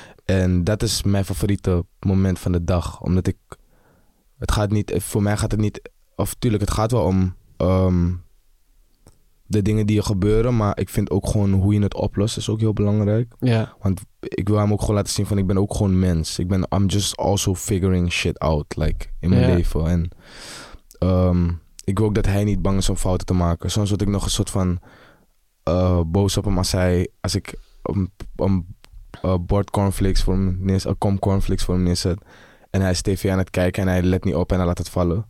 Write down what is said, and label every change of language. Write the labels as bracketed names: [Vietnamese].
[Dutch] En dat is mijn favoriete moment van de dag. Omdat ik, het gaat niet, voor mij gaat het niet, of tuurlijk, het gaat wel om de dingen die er gebeuren, maar ik vind ook gewoon hoe je het oplost is ook heel belangrijk. Ja. Want ik wil hem ook gewoon laten zien van, ik ben ook gewoon mens. [English] I'm just also figuring shit out, like, [Dutch] in mijn leven. En ik wil ook dat hij niet bang is om fouten te maken. Soms word ik nog een soort van boos op hem als ik een kom cornflakes voor hem neerzet en hij is tv aan het kijken en hij let niet op en hij laat het vallen.